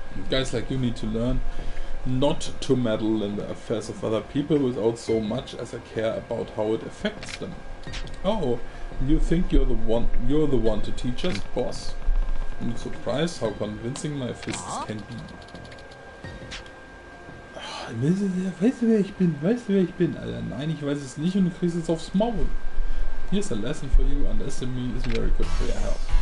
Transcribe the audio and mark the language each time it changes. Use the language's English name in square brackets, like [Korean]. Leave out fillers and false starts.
[English] Guys like you need to learn not to meddle in the affairs of other people without so much as a care about how it affects them. Oh, you think you're the one to teach us, boss? I'm surprised how convincing my fists can be. [German] Weißt du, wer ich bin? Weißt du, wer ich bin? Alter, nein, ich weiß es nicht und du kriegst es aufs Maul. [English] Here's a lesson for you, an SME is very good for your health.